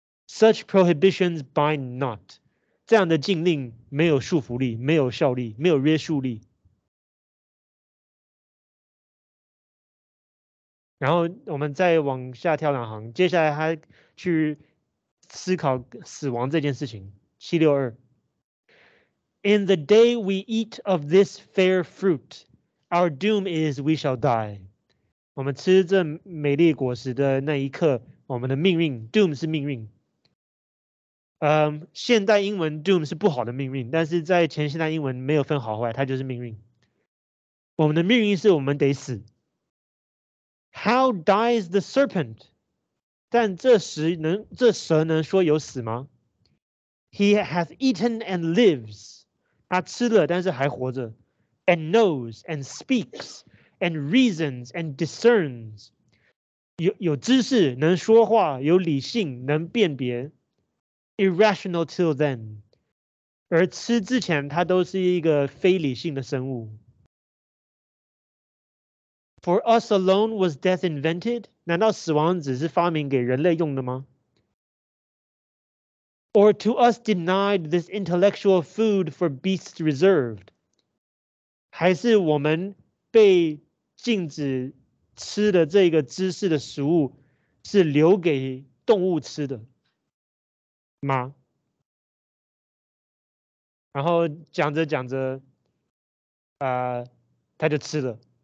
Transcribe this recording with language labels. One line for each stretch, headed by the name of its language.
English: Such prohibitions bind not，
Chinese: 这样的禁令没有束缚力，没有效力，没有约束力。然后我们再往下跳两行，接下来他去思考死亡这件事情。 762。
English: In the day we eat of this fair fruit, our doom is we shall die.
Chinese: 我们吃这美丽果实的那一刻，我们的命运 ,doom 是命运。现代英文 doom 是不好的命运，但是在前现代英文没有分好坏，它就是命运。我们的命运是我们得死。
English: How dies the serpent?
Chinese: 但这蛇能说有死吗？
English: He hath eaten and lives.
Chinese: 他吃了但是还活着
English: and knows and speaks and reasons and discerns，
Chinese: 有知识，能说话，有理性，能辨别。
English: Irrational till then，
Chinese: 而吃之前他都是一个非理性的生物。
English: For us alone was death invented，
Chinese: 难道死亡只是发明给人类用的吗？
English: Or to us denied this intellectual food for beasts reserved.
Chinese: 还是我们被禁止吃的这个知识的食物是留给动物吃的吗？然后讲着讲着，他就吃了。